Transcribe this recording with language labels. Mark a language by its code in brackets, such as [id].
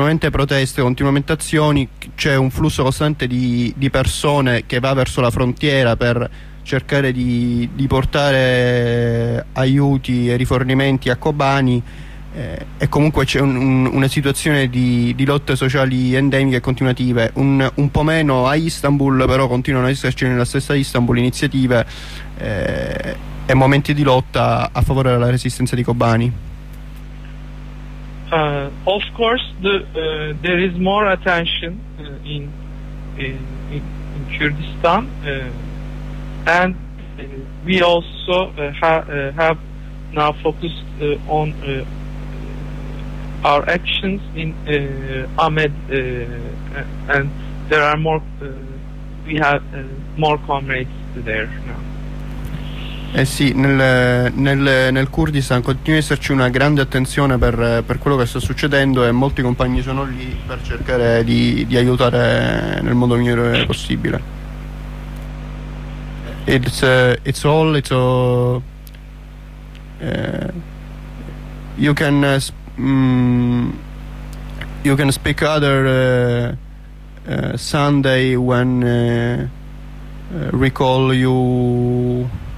[it] proteste, continuamente azioni, c'è un flusso costante di persone che va verso la frontiera per cercare di portare aiuti e rifornimenti a Kobani, e comunque c'è una situazione di lotte sociali endemiche e continuative, un po' meno a Istanbul, però continuano ad esserci nella stessa Istanbul iniziative e momenti di lotta a favore della resistenza di Kobani. [en] Of course, there is more attention in Kurdistan, and we also have now focused on our actions in Ahmed, and there are more. We have more comrades there now. [it] Sì, nel Kurdistan continua ad esserci una grande attenzione per quello che sta succedendo e molti compagni sono lì per cercare di aiutare nel modo migliore possibile. [en] You can speak other Sunday when recall you.